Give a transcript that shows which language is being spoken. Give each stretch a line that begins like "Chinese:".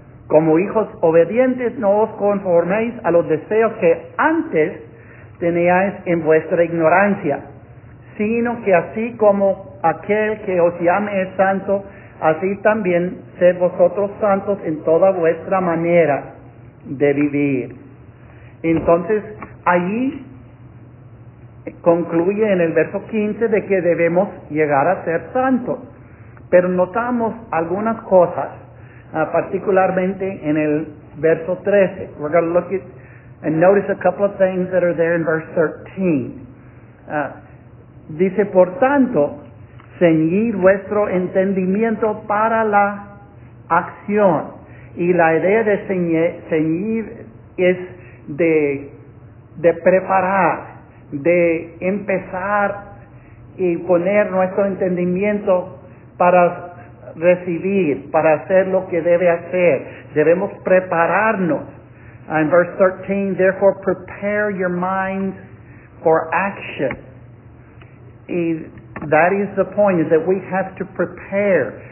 Spanish: Como hijos obedientes, no os conforméis a los deseos que antes teníais en vuestra ignorancia, sino que así como aquel que os llame es santo, así también sed vosotros santos en toda vuestra manera de vivir. Entonces, allí concluye en el verso 15 de que debemos llegar a ser santos. Pero notamos algunas cosas, particularmente en el verso 13.
English: We're going to look at and notice a couple of things that are there in verse 13.
Spanish: Dice, por tanto, ceñid vuestro entendimiento para la acción. Y la idea de ceñir es de preparar, de empezar y poner nuestro entendimiento para recibir, para hacer lo que debe hacer. Debemos prepararnos.
English: In verse 13, therefore prepare your minds for action. And that is the point, is that we have to prepare.